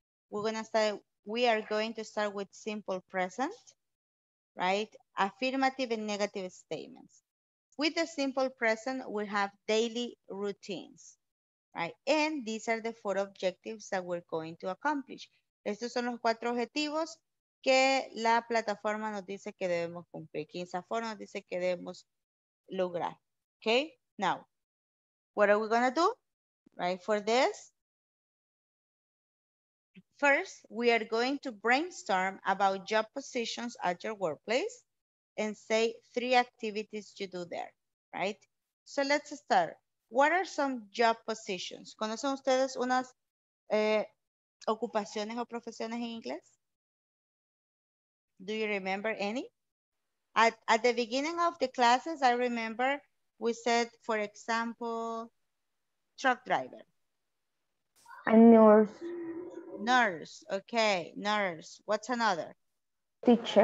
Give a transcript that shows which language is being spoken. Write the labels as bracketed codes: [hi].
[en] We are going to start with simple present, right? Affirmative and negative statements. With the simple present, we have daily routines, right? And these are the 4 objectives that we're going to accomplish. [es] Estos son los cuatro objetivos que la plataforma nos dice que debemos cumplir. Insafor nos dice que debemos lograr. [en] Okay, now, what are we going to do? Right, for this, first, we are going to brainstorm about job positions at your workplace and say three activities you do there, right? So let's start. What are some job positions? [es] ¿Conocen ustedes unas ocupaciones o profesiones en inglés? [en] Do you remember any? At the beginning of the classes, I remember we said, for example, truck driver. A nurse. Nurse, okay, nurse. What's another? Teacher.